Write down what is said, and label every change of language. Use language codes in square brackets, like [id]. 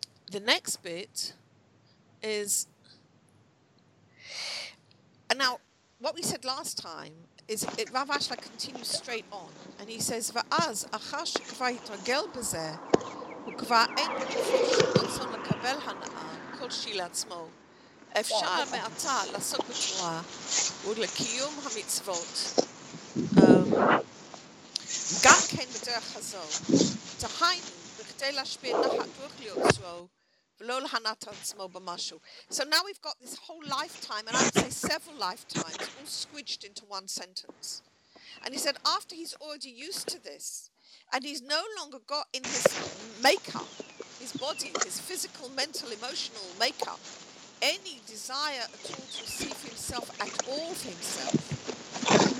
[en] The next bit is... And now, what we said last time is it, Rav Ashla continues straight on. And he says, [he] V'az, achar shekvar yitragel bezeh, וכבר אין רצון לקבל הנאה כלשהי לעצמו. אפשר מעטה לעסוק בתורה ולקיום המצוות. גם כן בדרך הזו, תחיינו בכדי להשפיע נחת רוח ליוצרו ולא להנאת עצמו במשהו. [en] So now we've got this whole lifetime, and I would say several lifetimes, all squidged into one sentence. And he said, after he's already used to this, and he's no longer got in his makeup, his body, his physical, mental, emotional makeup, any desire at all to receive himself at all for himself.